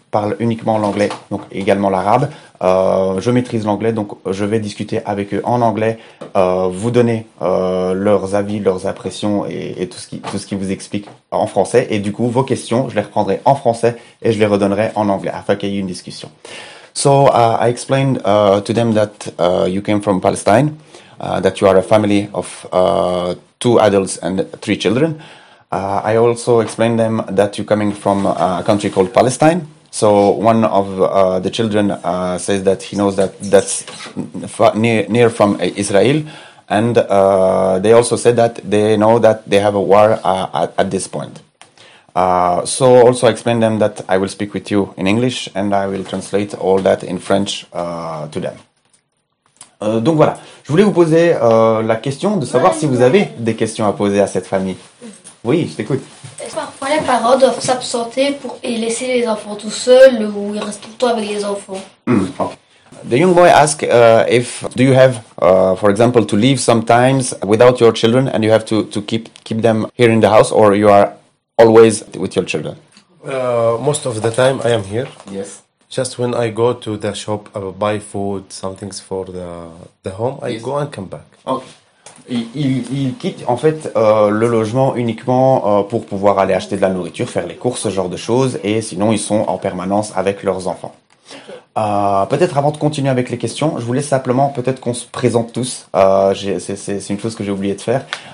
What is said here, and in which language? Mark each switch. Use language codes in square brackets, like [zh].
[fr] parlent uniquement l'anglais, donc également l'arabe. Je maîtrise l'anglais, donc je vais discuter avec eux en anglais, vous donner leurs avis, leurs impressions et tout ce qui vous explique en français. Et du coup, vos questions, je les reprendrai en français et je les redonnerai en anglais afin qu'il y ait une discussion. [en] So I explained to them that you came from Palestine, that you are a family of two adults and three children. I also explained them that you're coming from a country called Palestine. So one of the children says that he knows that that's near from Israel. And they also said that they know that they have a war at this point. So also I explained them that I will speak with you in English and I will translate all that in French to them. [fr] Donc voilà, je voulais vous poser la question de savoir si vous avez des questions à poser à cette famille. Oui, je t'écoute. Est-ce que parfois les parents doivent s'absenter pour et laisser les enfants tout seuls ou ils restent tout le temps avec les enfants? [en] The young boy asks if do you have, for example, to leave sometimes without your children and you have to keep them here in the house or you are always with your children? Most of the time I am here. Yes. Just when I go to the shop, I will buy food, some things for the home, I go and come back. Okay. [fr] Il quitte en fait le logement uniquement pour pouvoir aller acheter de la nourriture, faire les courses, ce genre de choses, et sinon ils sont en permanence avec leurs enfants. Peut-être avant de continuer avec les questions, je voulais simplement peut-être qu'on se présente tous. C'est une chose que j'ai oublié de faire.